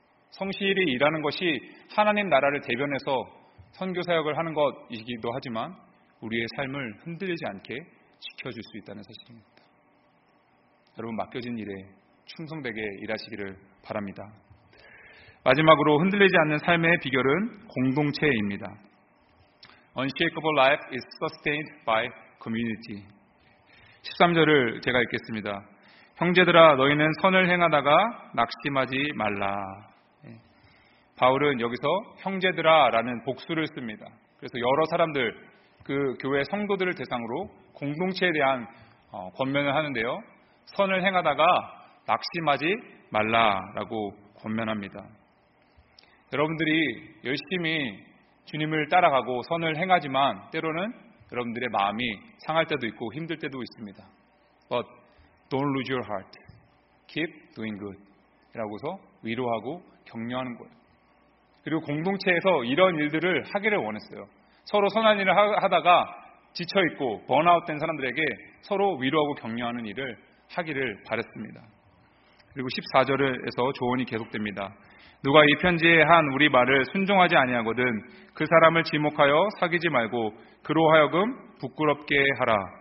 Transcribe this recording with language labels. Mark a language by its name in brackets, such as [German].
[Korean] 성실히 일하는 것이 하나님 나라를 대변해서 선교사역을 하는 것이기도 하지만 우리의 삶을 흔들리지 않게 지켜줄 수 있다는 사실입니다. 여러분, 맡겨진 일에 충성되게 일하시기를 바랍니다. 마지막으로 흔들리지 않는 삶의 비결은 공동체입니다. [English] Unshakable life is sustained by community. [Korean] 13절을 제가 읽겠습니다. 형제들아, 너희는 선을 행하다가 낙심하지 말라. 바울은 여기서 형제들아 라는 복수를 씁니다. 그래서 여러 사람들, 그 교회 성도들을 대상으로 공동체에 대한 권면을 하는데요. 선을 행하다가 낙심하지 말라라고 권면합니다. 여러분들이 열심히 주님을 따라가고 선을 행하지만 때로는 여러분들의 마음이 상할 때도 있고 힘들 때도 있습니다. [English] But don't lose your heart. Keep doing good. [Korean] 라고서 위로하고 격려하는 거예요. 그리고 공동체에서 이런 일들을 하기를 원했어요. 서로 선한 일을 하다가 지쳐있고 번아웃된 사람들에게 서로 위로하고 격려하는 일을 하기를 바랬습니다. 그리고 14절에서 조언이 계속됩니다. 누가 이 편지에 한 우리 말을 순종하지 아니하거든 그 사람을 지목하여 사귀지 말고 그로 하여금 부끄럽게 하라.